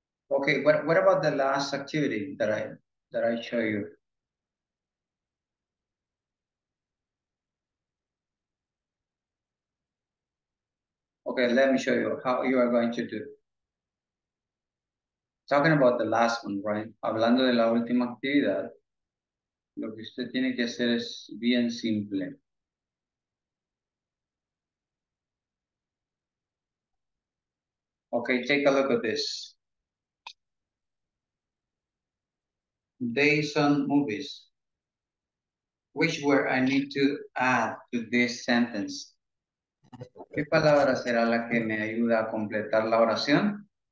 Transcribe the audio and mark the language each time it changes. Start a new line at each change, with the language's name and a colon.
English: Okay, what about the last activity that I show you? Okay, let me show you how you are going to do. Talking about the last one, right?
Spanish: Hablando de la última actividad, lo que usted tiene que hacer es bien simple.
English: Okay, take a look at this. Days on movies. Which word I need to add to this sentence?
Spanish: ¿Qué palabra será la que me ayuda a completar la oración?